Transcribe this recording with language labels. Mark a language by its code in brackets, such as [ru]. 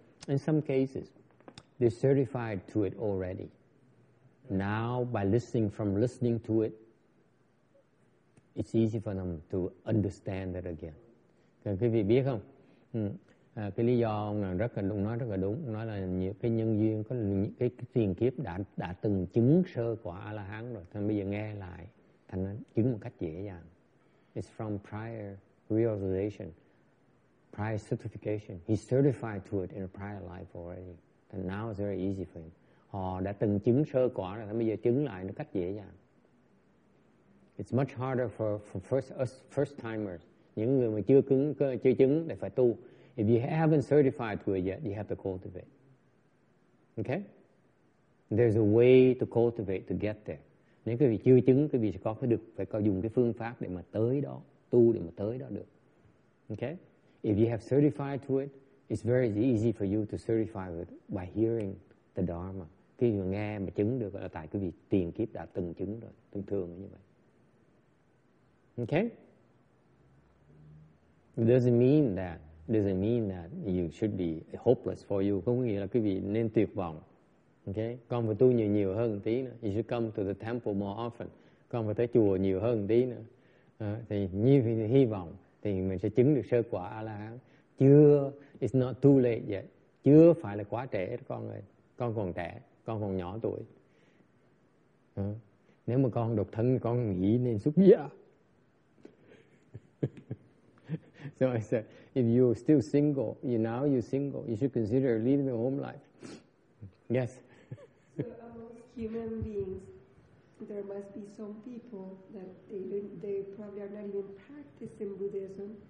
[en] In some cases, they certified to it already. Now, by listening to it, it's easy for them to understand that again. [vi] Các quý vị biết không? Cái lý do mà rất là đúng, nói là những cái nhân duyên, có cái tiền kiếp đã từng chứng sơ quả A-la-hán rồi, thì bây giờ nghe lại, thành chứng một cách dễ dàng. [en] It's from prior realization. Prior certification. He certified to it in a prior life already. And now it's very easy for him. [vi] Họ đã từng chứng sơ quả rồi, bây giờ chứng lại nó cách dễ dàng. [en] It's much harder for first timers. [vi] Những người mà chưa chứng để phải tu. [en] If you haven't certified to it yet, you have to cultivate. Okay? There's a way to cultivate to get there. [vi] Nếu quý vị chưa chứng, quý vị sẽ có cái được, phải có dùng cái phương pháp để mà tới đó, tu để mà tới đó được. [en] Okay? If you have certified to it, it's very easy for you to certify it by hearing the Dharma. [vi] Khi mà nghe mà chứng được là tại quý vị tiền kiếp đã từng chứng rồi, thường thường như vậy. [en] Okay? It doesn't mean that you should be hopeless for you. [vi] Không nghĩa là quý vị nên tuyệt vọng. Okay? Con phải tu nhiều nhiều hơn tí nữa. [en] You should come to the temple more often. [vi] Con phải tới chùa nhiều hơn tí nữa. Thì nhiều hy vọng. Thì mình sẽ chứng được sơ quả A-la-hán. [en] It's not too late yet. [vi] Chưa phải là quá trễ đó con ơi. Con còn trẻ, con còn nhỏ tuổi. Nếu mà con độc thân, con nghĩ nên xuất gia. [en] So I said, if you're still single, now you're single, you should consider leaving your home life. Yes. So among human beings, there must be some people that they probably are not even practicing Buddhism.